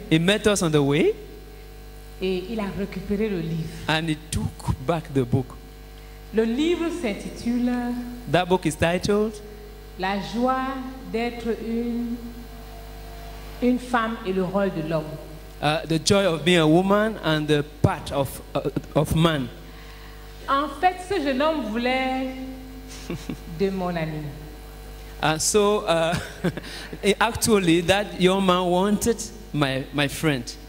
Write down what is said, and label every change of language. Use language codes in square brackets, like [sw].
[en] He met us on the way. [fr] Et il a récupéré le livre. [en] And he took back the book. [fr] Le livre s'intitule. [en] That book is titled. [fr] La joie d'être une femme et le rôle de l'homme. [en] The joy of being a woman and the part of man. [fr] En fait, ce jeune homme voulait de mon ami. [en] So, actually, that young man wanted my friend.